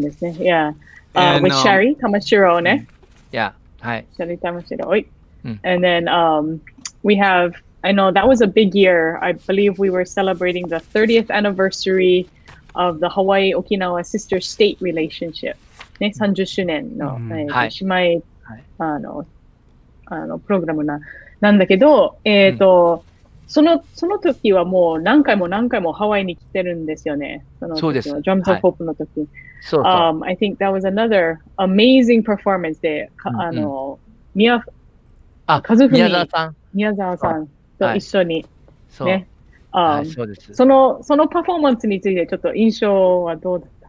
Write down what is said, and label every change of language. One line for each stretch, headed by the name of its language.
Japanese: ですね。
English: Yeah. And, with Sherry Tamashiro ね。 Yeah. はい。 Sherry Tamashiro. And then we have. I know that was a big year. I believe we were celebrating the 30th anniversary of the Hawaii Okinawa sister state relationship.
Japanese: ね、30周年の、姉妹、プログラムなんだけど、その時はもう何回も何回もハワイに来てるんですよね。そうです。 Drums of Hope の時。そうそう。
English: I think that was another amazing performance で、
Japanese: 宮沢さんと一緒に。そう。ね。はい、そうです。そのパフォーマンスについてちょっと印象はどうだった